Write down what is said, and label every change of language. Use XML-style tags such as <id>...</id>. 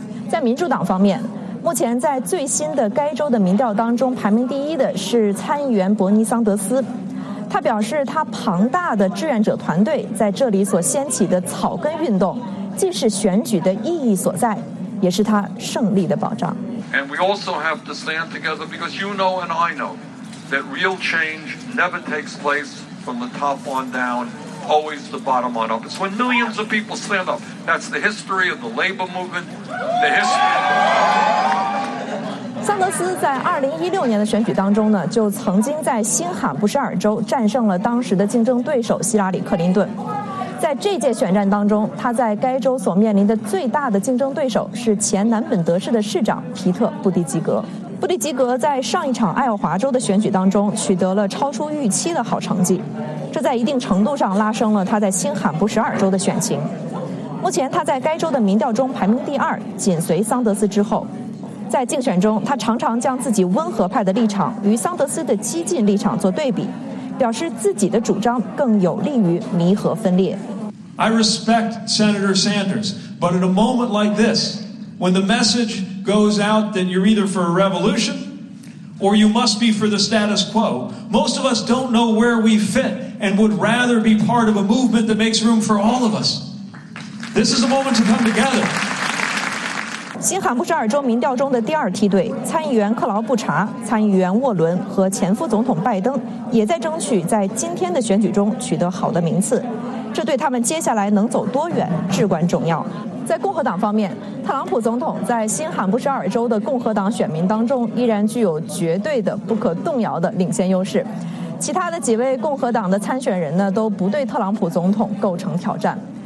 <zh>在民主党方面，目前在最新的该州的民调当中排名第一的是参议员伯尼桑德斯，他表示他庞大的志愿者团队在这里所掀起的草根运动，既是选举的意义所在，也是他胜利的保障。</zh> <en>And we also have to stand together because you know and I know that real change never takes place from the top on down, always the bottom on up. It's when millions of people stand up. That's the history of the labor movement, the history.</en> <zh>桑德斯在2016年的选举当中呢，就曾经在新罕布什尔州战胜了当时的竞争对手希拉里·克林顿。在这届选战当中，他在该州所面临的最大的竞争对手是前南本德市的市长皮特·布迪吉格。布迪吉格在上一场爱荷华州的选举当中取得了超出预期的好成绩，这在一定程度上拉升了他在新罕布什尔州的选情。目前他在该州的民调中排名第二，紧随桑德斯之后。在竞选中，他常常将自己温和派的立场与桑德斯的激进立场做对比，表示自己的主张更有利于弥合分裂。</zh> <en>I respect Senator Sanders, but at a moment like this, when the message goes out that you're either for a revolution or you must be for the status quo, most of us don't know where we fit and would rather be part of a movement that makes room for all of us. This is a moment to come together.</en> <zh>新罕布什尔州民调中的第二梯队参议员克劳布查、参议员沃伦和前副总统拜登也在争取在今天的选举中取得好的名次，这对他们接下来能走多远至关重要。在共和党方面，特朗普总统在新罕布什尔州的共和党选民当中依然具有绝对的不可动摇的领先优势，其他的几位共和党的参选人呢，都不对特朗普总统构成挑战。</zh>